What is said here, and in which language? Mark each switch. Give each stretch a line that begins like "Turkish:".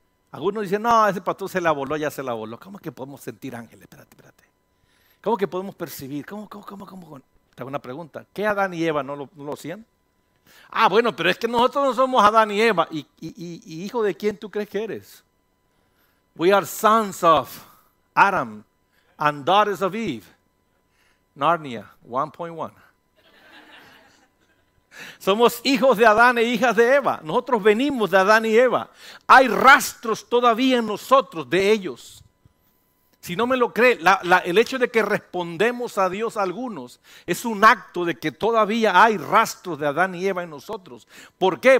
Spanish: Algunos dicen, no, ese pastor se la voló, ya se la voló. ¿Cómo es que podemos sentir ángeles? Espérate. ¿Cómo que podemos percibir? ¿Cómo? Te hago una pregunta. ¿Qué Adán y Eva no lo hacían? Ah, bueno, pero es que nosotros no somos Adán y Eva. ¿Y hijo de quién tú crees que eres?
English: We are sons of Adam and daughters of Eve. Narnia 1.1.
Spanish: Somos hijos de Adán e hijas de Eva. Nosotros venimos de Adán y Eva. Hay rastros todavía en nosotros de ellos. Si no me lo cree, el hecho de que respondemos a Dios a algunos es un acto de que todavía hay rastros de Adán y Eva en nosotros. ¿Por qué?